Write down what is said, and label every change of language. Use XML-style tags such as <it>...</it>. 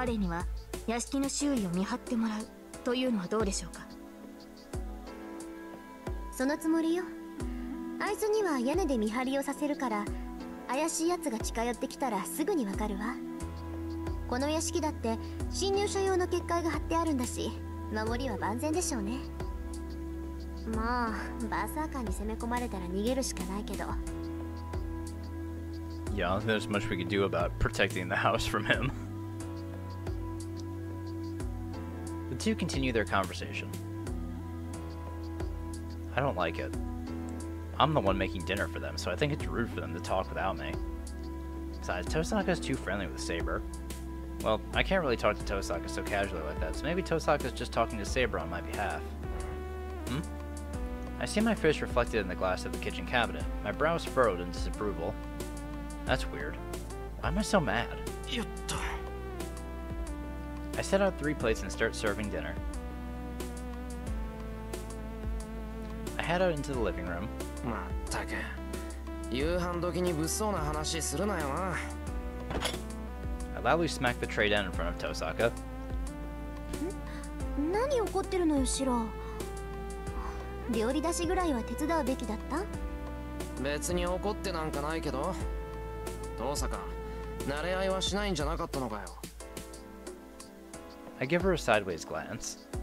<ja>通常の戦闘ならば支障はありませんが、バーサーカーを相手にできるほど回復はしていません。バーサーカー戦の傷は感知しているのですが、ランサーから受けた傷には時間がかかるようです。そう。それじゃあやっぱり当面は様子見をするしかないかな。それについては提案が。アーチャーの目は鷹の空と聞きます。彼には屋敷の周囲を見張ってもらう というのはどうでしょうか。その積もりよ。あいつには屋根で見張りをさせるから、怪しい奴が近寄ってきたらすぐにわかるわ。この屋敷だって侵入者用の結界が張ってあるんだし、守りは万全でしょうね。まあ、バーサーカーに攻め込まれたら逃げるしかないけど。</ja> <en>Yeah, there's much we can do about protecting the house from him. The two continue their conversation. I don't like it. I'm the one making dinner for them, so I think it's rude for them to talk without me. Besides, Tosaka's too friendly with Saber. Well, I can't really talk to Tosaka so casually like that, so maybe Tosaka's just talking to Saber on my behalf. Hmm? I see my face reflected in the glass of the kitchen cabinet. My brows furrowed in disapproval. That's weird. Why am I so mad? Yotta. I set out three plates and start serving dinner. I head out into the living room.</en> <ja>まったく。夕飯時に物騒な話するなよな。</ja> <en>I loudly smack the tray down in front of Tosaka.</en> <ja>ん?何怒ってるのよ、シロ。料理出しぐらいは手伝うべきだった? 別に怒ってなんかないけど。トーサカ、 慣れ合いはしないんじゃなかったのかよ。</ja> <en>I give her a sideways glance.</en>